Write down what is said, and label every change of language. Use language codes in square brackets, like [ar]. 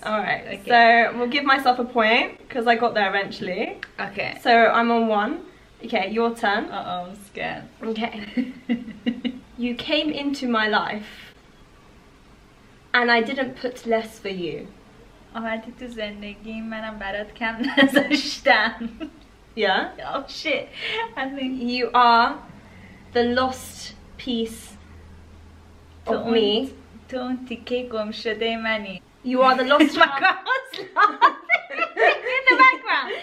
[en] Alright, okay. So we'll give myself a point, because I got there eventually. Okay. So I'm on one. Okay, your turn. Uh-oh, I'm scared. Okay. You came into my life, and I didn't put less for you. [fa] آمدی تو زندگی منم برات کم نزاشتم. [en] Yeah? Oh, shit. I mean, you are the lost piece of me. You are the lost half. My girl's laughing in the background.